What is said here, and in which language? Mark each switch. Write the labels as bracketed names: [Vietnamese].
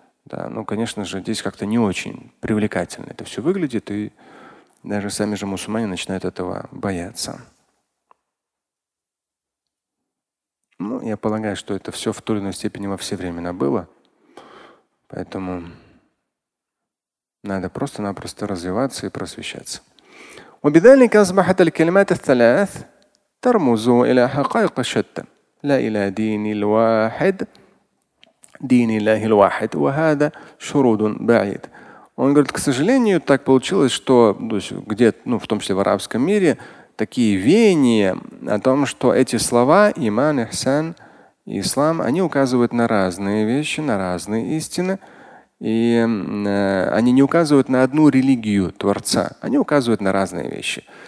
[Russian] Да, ну, конечно же, здесь как-то не очень привлекательно это все выглядит, и даже сами же мусульмане начинают этого бояться. Ну, я полагаю, что это все в той или иной степени во все времена было. Поэтому надо просто-напросто развиваться и просвещаться. [Arabic] وبذلك أصبحت الكلمات الثلاث ترمز إلى حقائق شتى لا إلى دين الواحد دين الله الواحد وهذا شرود بعيد. [Russian] Он говорит, к сожалению, так получилось, что где-то, ну, в том числе в арабском мире, такие веяния о том, что эти слова иман, ихсан, ислам, они указывают на разные вещи, на разные истины. И они не указывают на одну религию Творца, они указывают на разные вещи.